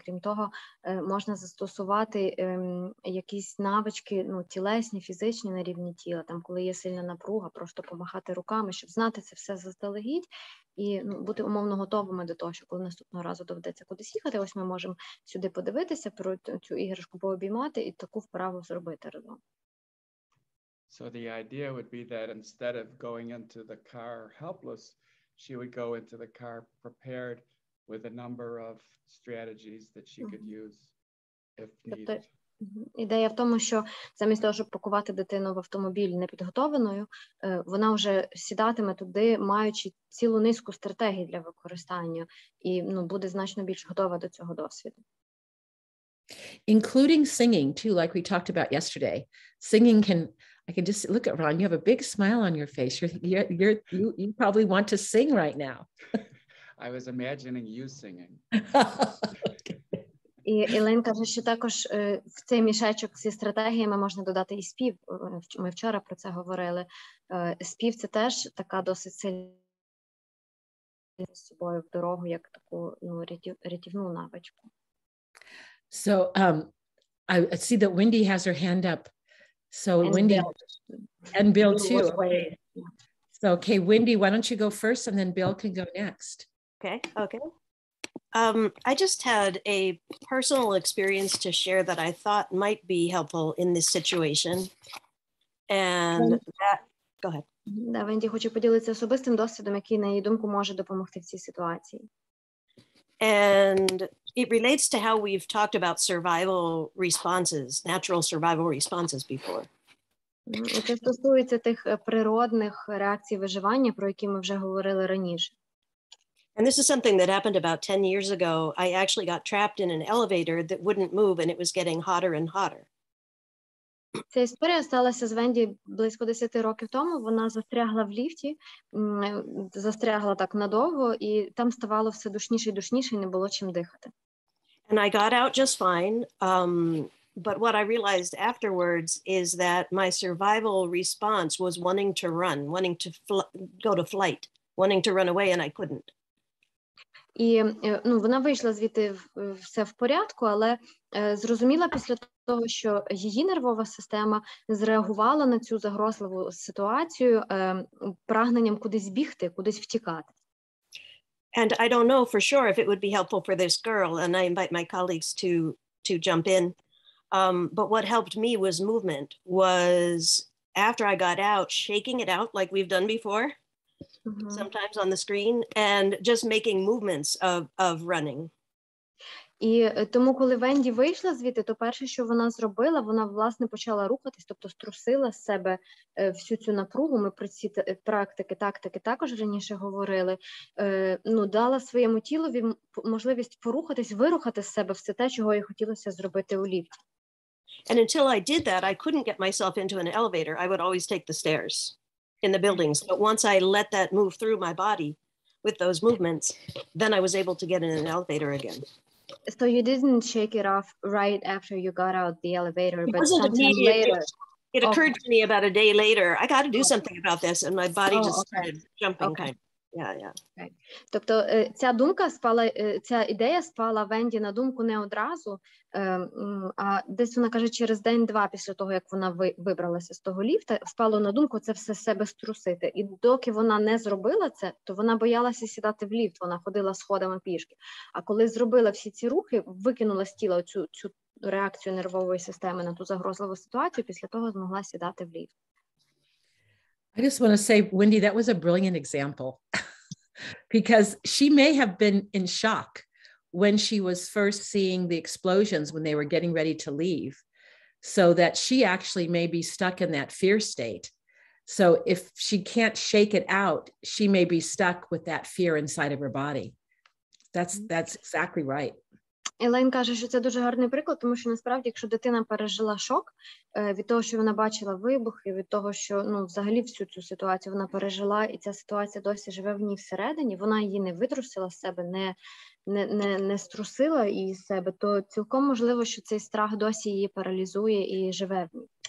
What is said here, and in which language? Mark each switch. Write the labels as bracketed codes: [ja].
[uk] Крім того, можна застосувати якісь навички, ну, тілесні, фізичні на рівні тіла, там, коли є сильна напруга, просто помахати руками, щоб знати це все заздалегідь і, ну, бути умовно готовими до того, що коли наступного разу доведеться кудись їхати, ось ми можемо сюди подивитися, про цю іграшку пообіймати і таку вправу зробити разом. [en] So the idea would be that instead of going into the car helpless, she would go into the car prepared with a number of strategies that she could use if needed. [uk] Ідея в тому, що замість того, щоб пакувати дитину в автомобіль непідготованою, вона вже сідатиме туди, маючи цілу низку стратегій для використання, і, ну, буде значно більш готова до цього досвіду. [en] Including singing too, like we talked about yesterday. Singing can, I can just look at Ron, you have a big smile on your face. You probably want to sing right now. I was imagining you singing. [uk] І Елен каже, що також в цей мішечок зі стратегіями можна додати і спів. Ми вчора про це говорили. Спів – це теж така досить сильна з собою в дорогу, як таку, ну, рятівну навичку. [en] So I see that Wendy has her hand up. So and Wendy Bill. And Bill too. So, okay, Wendy, why don't you go first and then Bill can go next. Okay. I just had a personal experience to share that I thought might be helpful in this situation. And that, go ahead. [uk] Да, Венді, хочу поділитися особистим досвідом, який, на її думку, може допомогти в цій ситуації. [en] And it relates to how we've talked about survival responses, natural survival responses before. [uk] Це стосується тих природних реакцій виживання, про які ми вже говорили раніше. [en] And this is something that happened about 10 years ago. I actually got trapped in an elevator that wouldn't move and it was getting hotter and hotter. [uk] Ця історія сталася з Венді близько 10 років тому. Вона застрягла в ліфті, застрягла так надовго, і там ставало все душніше і душніше, і не було чим дихати. [en] And I got out just fine. But what I realized afterwards is that my survival response was wanting to run, wanting to go to flight, wanting to run away, and I couldn't. [uk] І, ну, вона вийшла звідти все в порядку, але зрозуміла після того, що її нервова система зреагувала на цю загрозливу ситуацію прагненням кудись бігти, кудись втікати. [en] And I don't know for sure if it would be helpful for this girl, and I invite my colleagues to jump in. But what helped me was movement, was after I got out, shaking it out like we've done before, mm-hmm. sometimes on the screen, and just making movements of running. [uk] І тому, коли Венді вийшла звідти, то перше, що вона зробила, вона, власне, почала рухатись, тобто струсила з себе всю цю напругу. Ми про ці практики, тактики також раніше говорили. Ну, дала своєму тілові можливість порухатись, вирухати з себе все те, чого їй хотілося зробити у ліфті. [en] And until I did that, I couldn't get myself into an elevator. I would always take the stairs in the buildings. But once I let that move through my body with those movements, then I was able to get in an elevator again. So you didn't shake it off right after you got out the elevator, but sometime later. It occurred to me about a day later, I got to do something about this, and my body just started jumping. Okay. Kind of. Yeah. Right. [uk] Тобто ця думка спала, ця ідея спала Венді на думку не одразу, а десь вона каже через день-два після того, як вона вибралася з того ліфта, спало на думку це все себе струсити. І доки вона не зробила це, то вона боялася сідати в ліфт, вона ходила сходами пішки. А коли зробила всі ці рухи, викинула з тіла цю реакцію нервової системи на ту загрозливу ситуацію, після того змогла сідати в ліфт. [en] I just want to say, Wendy, that was a brilliant example because she may have been in shock when she was first seeing the explosions when they were getting ready to leave, so that she actually may be stuck in that fear state. So if she can't shake it out, she may be stuck with that fear inside of her body. That's exactly right. [uk] Елен каже, що це дуже гарний приклад, тому що насправді, якщо дитина пережила шок від того, що вона бачила вибухи, від того, що, ну, взагалі всю цю ситуацію вона пережила, і ця ситуація досі живе в ній всередині, вона її не витрусила з себе, не струсила її з себе, то цілком можливо, що цей страх досі її паралізує і живе в ній.